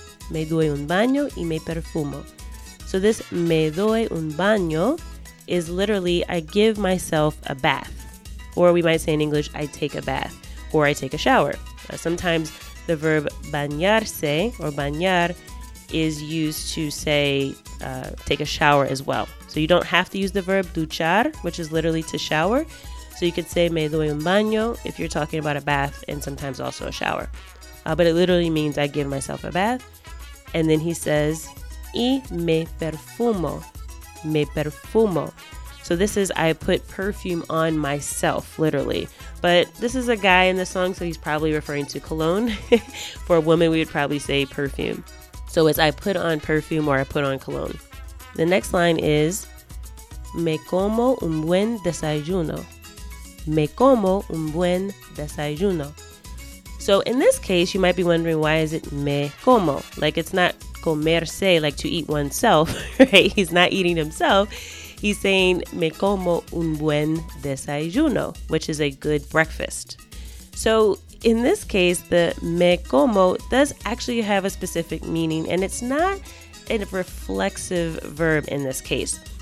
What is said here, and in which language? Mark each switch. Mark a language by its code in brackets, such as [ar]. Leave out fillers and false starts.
[es] Me doy un baño y me perfumo. [en] So this [es] me doy un baño [en] is literally I give myself a bath. Or we might say in English, I take a bath or I take a shower. Sometimes the verb bañarse or bañar is used to say take a shower as well. So you don't have to use the verb duchar, which is literally to shower. So you could say [es] me doy un baño [en] if you're talking about a bath and sometimes also a shower. But it literally means I give myself a bath. And then he says, [es] y me perfumo, me perfumo. [en] So this is, I put perfume on myself, literally. But this is a guy in the song, so he's probably referring to cologne. For a woman, we would probably say perfume. So it's, I put on perfume or I put on cologne. The next line is, [es] me como un buen desayuno. Me como un buen desayuno. [en] So in this case, you might be wondering, why is it [es] me como? [en] Like, it's not comerse, like to eat oneself, right? He's not eating himself. He's saying, [es] me como un buen desayuno, [en] which is a good breakfast. So in this case, the [es] me como [en] does actually have a specific meaning, and it's not a reflexive verb in this case.